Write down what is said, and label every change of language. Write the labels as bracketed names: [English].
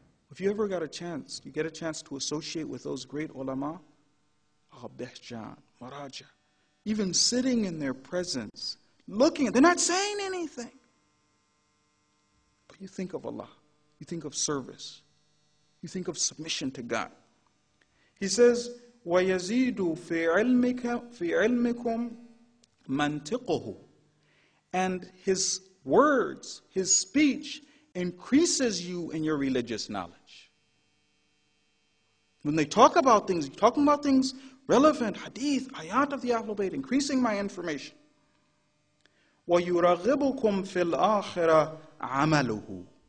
[English] If you ever got a chance, you get a chance to associate with those great ulama, Abdehjan, Maraja, even sitting in their presence, looking, they're not saying anything. But you think of Allah. You think of service. You think of submission to God. He says, [Arabic] وَيَزِيدُ فِي عِلْمِكُمْ مَنْتِقُهُ. [English] And his words, his speech, increases you in your religious knowledge. When they talk about things, you're talking about things relevant, hadith, ayat of the Ahlul Bayt, increasing my information. [Arabic] وَيُرَغِبُكُمْ فِي الْآخِرَةِ عَمَلُهُ.